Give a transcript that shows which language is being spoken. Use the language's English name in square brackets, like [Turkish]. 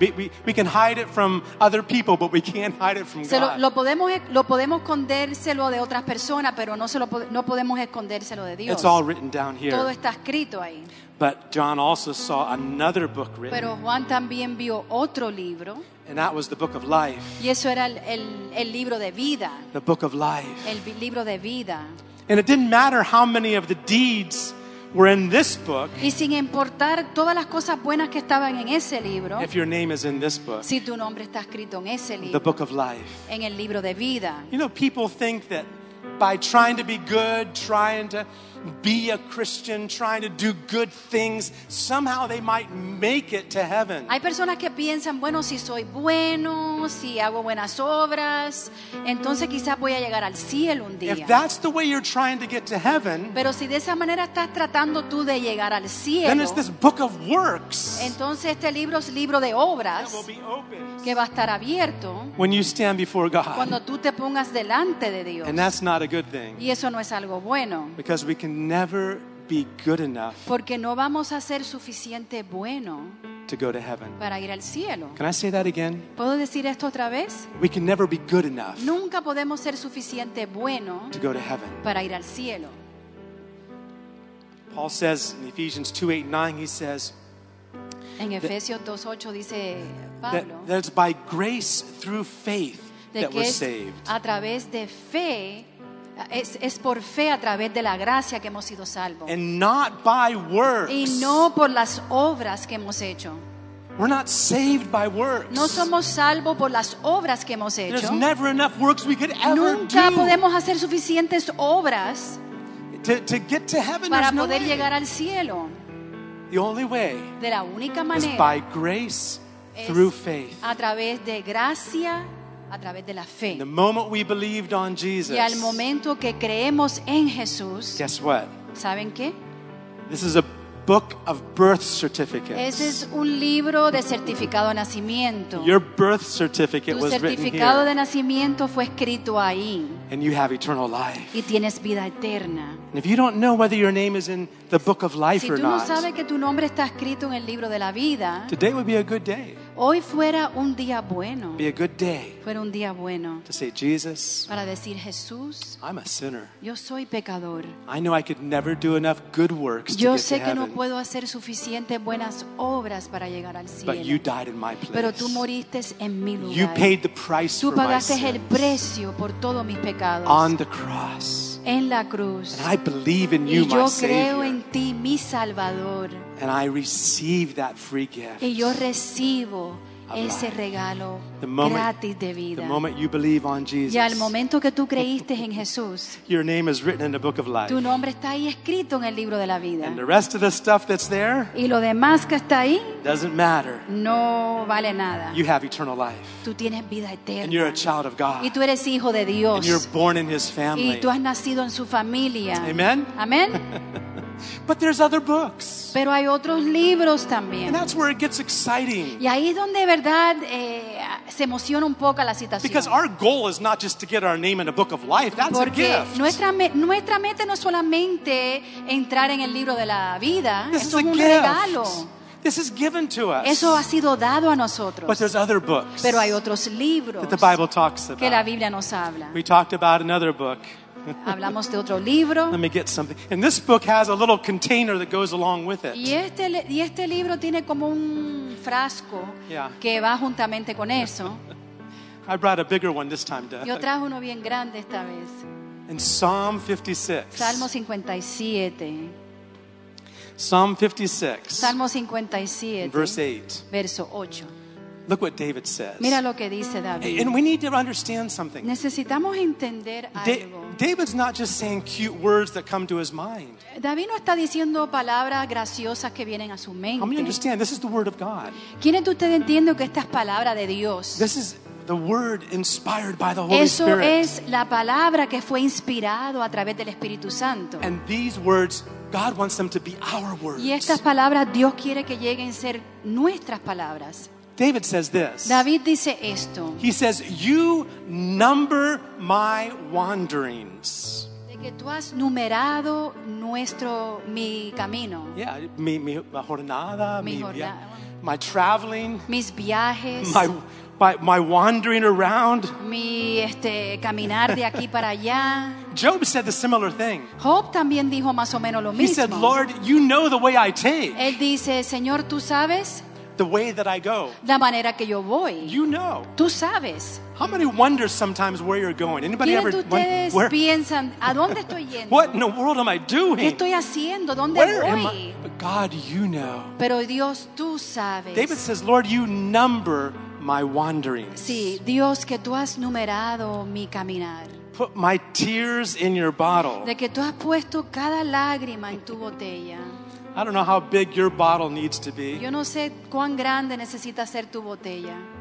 [English] We can hide it from other people, but we can't hide it from God. [Spanish] Lo podemos escondérselo de otras personas, pero no podemos escondérselo de Dios. [English] It's all written down here. [Spanish] Todo está escrito ahí. [English] But John also saw another book written. [Spanish] Pero Juan también vio otro libro. [English] And that was the book of life. [Spanish] Y eso era el libro de vida. [English] The book of life. [Spanish] El libro libro de vida. [English] And it didn't matter how many of the deeds were in this book. [Spanish] Y sin importar todas las cosas buenas que estaban en ese libro. [English] If your name is in this book. [Spanish] Si tu nombre está escrito en ese libro. [English] The book of life. [Spanish] En el libro de vida. [English] You know, people think that by trying to be good, trying to be a Christian, trying to do good things, somehow they might make it to heaven. [Spanish] Hay personas que piensan, bueno, si soy bueno, si hago buenas obras, entonces quizás voy a llegar al cielo un día. [English] If that's the way you're trying to get to heaven, [Spanish] pero si de esa manera estás tratando tú de llegar al cielo, [English] then it's this book of works. [Spanish] Entonces este libro es libro de obras que va a estar abierto. [English] When you stand before God, [Spanish] cuando tú te pongas delante de Dios, [English] and that's not a good thing. [Spanish] Y eso no es algo bueno. [English] Because we can never be good enough. [Spanish] Porque no vamos a ser suficiente bueno. [English] To go to heaven. [Spanish] Para ir al cielo. [English] Can I say that again? [Spanish] ¿Puedo decir esto otra vez? [English] We can never be good enough. [Spanish] Nunca podemos ser suficiente bueno. [English] To go to heaven. [Spanish] Para ir al cielo. [English] Paul says in Ephesians 2:8-9, he says. [Spanish] En Efesios 2:8 dice Pablo. [English] That it's by grace through faith that we're saved. [Spanish] A través de fe. Es por fe a través de la gracia que hemos sido salvos. [English] And not by works. [Spanish] Y no por las obras que hemos hecho. [English] We're not saved by works. [Spanish] No somos salvos por las obras que hemos hecho. [English] There's never enough works we could ever do. [Spanish] Nunca podemos hacer suficientes obras [English] to get to heaven. [Spanish] Para poder llegar al cielo. [English] The only way. [Spanish] De la única manera. [English] Is by grace through faith. [Spanish] A través de gracia. A través de la fe. [English] The moment we believed on Jesus, [Spanish] y al momento que creemos en Jesús, [English] guess what? [Spanish] ¿Saben qué? [English] This is a book of birth certificates. [Spanish] Ese es un libro de certificado de nacimiento. [English] Your birth certificate was written here. [Spanish] Tu certificado de nacimiento fue escrito ahí. [English] And you have eternal life. [Spanish] Y tienes vida eterna. [English] And if you don't know whether your name is in the book of life or not, [Spanish] si tú no sabes que tu nombre está escrito en el libro de la vida, [English] today would be a good day. [Spanish] Hoy fuera un día bueno. [English] Be a good day. [Spanish] Fuera un día bueno. [English] To say Jesus. [Spanish] Para decir Jesús. [English] I'm a sinner. [Spanish] Yo soy pecador. [English] I know I could never do enough good works to get to heaven. [Spanish] Yo sé que no puedo hacer suficientes buenas obras para llegar al cielo. [English] But you died in my place. [Spanish] Pero tú moriste en mi lugar. [English] You paid the price for my sins. [Spanish] Tú pagaste el precio por todos mis pecados. [English] On the cross. [Spanish] En la cruz. [English] And I believe in you, [Spanish] y yo [English] my Savior. [Spanish] En ti, mi Salvador. [English] And I receive that free gift. [Spanish] Y yo recibo ese regalo gratis de vida. [English] The moment you believe on Jesus. [Spanish] Y al momento que tú creíste en Jesús. [English] Your name is written in the book of life. [Spanish] Tu nombre está ahí escrito en el libro de la vida. [English] And the rest of the stuff that's there. [Spanish] Y lo demás que está ahí. [English] Doesn't matter. [Spanish] No vale nada. [English] You have eternal life. [Spanish] Tú tienes vida eterna. [English] And you're a child of God. [Spanish] Y tú eres hijo de Dios. [English] And you're born in His family. [Spanish] Y tú has nacido en su familia. [English] Amen. Amen. But there's other books. [Spanish] Pero hay otros libros también. [English] And that's where it gets exciting. [Spanish] Y ahí es donde de verdad se emociona un poco la situación. [English] Because our goal is not just to get our name in a book of life. That's [Spanish] porque [English] a gift. [Spanish] Nuestra meta no es solamente entrar en el libro de la vida. [English] This [Spanish] eso [English] is [Spanish] un [English] gift. [Spanish] Regalo. [English] This is given to us. [Spanish] Eso ha sido dado a nosotros. [English] But there's other books. [Spanish] Pero hay otros libros. [English] That the Bible talks about. [Spanish] Que la Biblia nos habla. [English] We talked about another book. [Spanish] Hablamos de otro libro. [English] Let me get something. And this book has a little container that goes along with it. [Spanish] Y este libro tiene como un frasco, yeah, que va juntamente con eso. [English] I brought a bigger one this time, Doug. [Spanish] Yo traje uno bien grande esta vez. [English] In Psalm 56. [Spanish] Salmo 57. [English] Psalm 56. [Spanish] Salmo 57. [English] Verse 8. [Spanish] Verso 8. [English] Look what David says. [Spanish] Mira lo que dice David. [English] And we need to understand something. [Spanish] Necesitamos entender algo. [English] David's not just saying cute words that come to his mind. [Spanish] David no está diciendo palabras graciosas que vienen a su mente. [English] How many understand? This is the word of God. [Spanish] ¿Quiénes de ustedes entienden que esta es palabra de Dios? [English] This is the word inspired by the Holy [Spanish] Eso [English] Spirit. [Spanish] Es la palabra que fue inspirado a través del Espíritu Santo. [English] And these words, God wants them to be our words. [Spanish] Y estas palabras, Dios quiere que lleguen a ser nuestras palabras. [English] David says this. [Spanish] David dice esto. [English] He says, "You number my wanderings." [Spanish] De que tú has numerado nuestro mi camino. Yeah, mi jornada, [English] my traveling, [Spanish] mis viajes, [English] my wandering around. [Spanish] Mi caminar de aquí para allá. [English] Job said the similar thing. [Spanish] Job también dijo más o menos lo [English] he [Spanish] mismo. [English] He said, "Lord, you know the way I take." [Spanish] Él dice, "Señor, tú sabes." [English] the way that I go. [Spanish] La manera que yo voy. [English] You know. [Spanish] Tú sabes. [English] How many wonder sometimes where you're going? Anybody ever wonder [Spanish] piensan, ¿a dónde estoy yendo? [English] What in the world am I doing? [Spanish] ¿Qué estoy haciendo? ¿Dónde [English] where [Spanish] voy? [English] Am I? But God, you know. [Spanish] Pero Dios, tú sabes. [English] David says, Lord, you number my wanderings. [Spanish] Sí, Dios, que tú has numerado mi caminar. [English] Put my tears in your bottle. [Spanish] De que tú has puesto cada lágrima en tu botella. [English] I don't know how big your bottle needs to be. [Spanish] Yo no sé cuán grande necesita ser tu botella.